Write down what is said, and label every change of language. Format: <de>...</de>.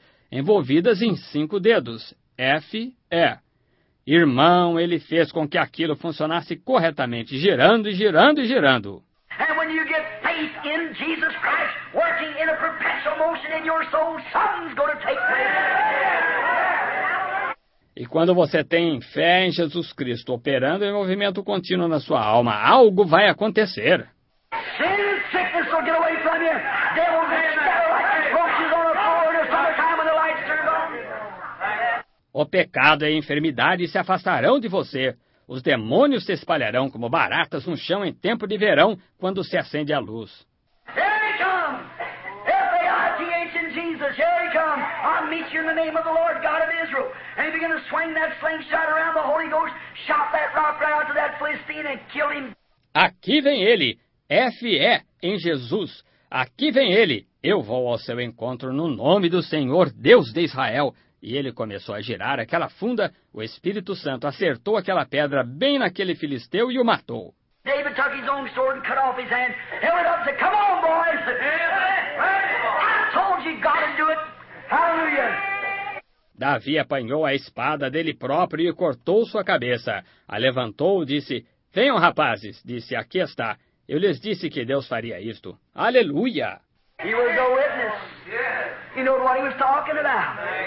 <pt>Envolvidas em cinco dedos. F-E. Irmão, ele fez com que aquilo funcionasse corretamente, girando e girando e girando.</pt> <en>And when you get faith in Jesus Christ working in a perpetual motion in your soul, something's going to take place.</en> <pt>E quando você tem fé em Jesus Cristo operando em movimento contínuo na sua alma, algo vai acontecer.</pt> <en>Sin and sickness will get away from you. Devils will scatter like roaches on a floor in the summertime when the lights turn on.</en> <pt>O pecado e a enfermidade se afastarão de você. Os demônios se espalharão como baratas no chão em tempo de verão, quando se acende a luz.</pt> <en>Here he comes! F-A-I-T-H in Jesus, here he comes! I'll meet you in the name of the Lord God of Israel. And he began to swing that slingshot around the Holy Ghost, shot that rock right out to that Philistine and kill him.</en> <pt>Aqui vem ele, F-E, em Jesus. Aqui vem ele, eu vou ao seu encontro no nome do Senhor Deus de Israel. E ele começou a girar aquela funda, o Espírito Santo acertou aquela pedra bem naquele filisteu e o matou.</pt> <en>David took his own sword and cut off his hand, held it up and said, come on, boys! I told you God would do it! Hallelujah!</en> <pt>Davi apanhou a espada dele próprio e cortou sua cabeça. A levantou e disse, venham, rapazes, disse, aqui está. Eu lhes disse que Deus faria isto. Aleluia!</pt> <en>He was a witness. You know what he was talking about.</en>